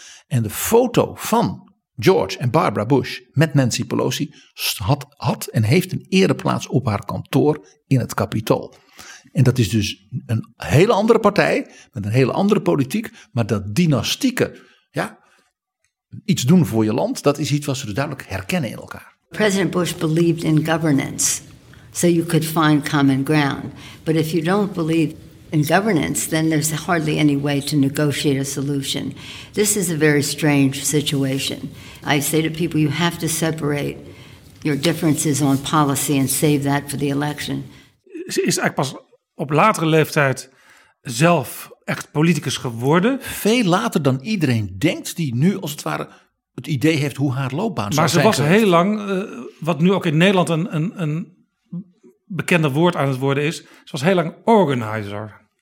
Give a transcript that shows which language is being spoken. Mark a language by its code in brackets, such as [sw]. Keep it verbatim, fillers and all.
[nl] En de foto van George en Barbara Bush met Nancy Pelosi had, had en heeft een ereplaats op haar kantoor in het Capitool. En dat is dus een hele andere partij, met een hele andere politiek. Maar dat dynastieke, ja, iets doen voor je land, dat is iets wat ze dus duidelijk herkennen in elkaar. [en] President Bush believed in governance, so you could find common ground. But if you don't believe in governance, then there's hardly any way to negotiate a solution. This is a very strange situation. I say to people, you have to separate your differences on policy and save that for the election. [nl] Ze is eigenlijk pas op latere leeftijd zelf echt politicus geworden. Veel later dan iedereen denkt, die nu als het ware het idee heeft hoe haar loopbaan zou zijn. Maar ze was heel lang, uh, wat nu ook in Nederland een, een, een bekender woord aan het worden is, ze was heel lang organizer.